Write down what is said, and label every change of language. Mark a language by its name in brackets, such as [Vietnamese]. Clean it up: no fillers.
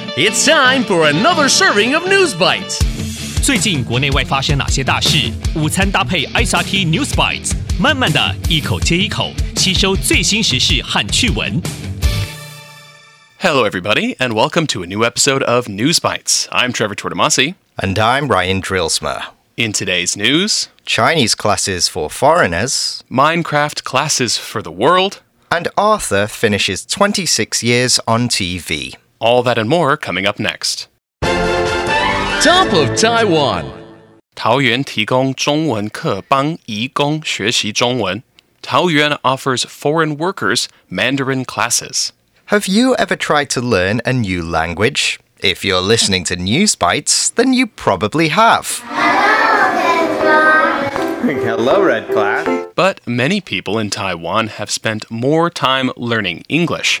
[English] It's time for another serving of News Bites. [Chinese] 最近国内外发生哪些大事？午餐搭配 SRT News Bites， 慢慢的一口接一口，吸收最新时事和趣闻。 [English] Hello, everybody, and welcome to a new episode of News Bites. I'm Trevor Tortomasi. And I'm Ryan Drillsma. In today's news, Chinese classes for foreigners, Minecraft classes for the world, and Arthur finishes 26 years on TV. All that and more coming up next. Top of Taiwan! [Chinese] 桃園提供中文課幫移工學習中文。 [English] 桃園 offers foreign workers Mandarin classes. Have you ever tried to learn a new language? If you're listening to News Bites, then you probably have. Hello, Red Class. But many people in Taiwan have spent more time learning English.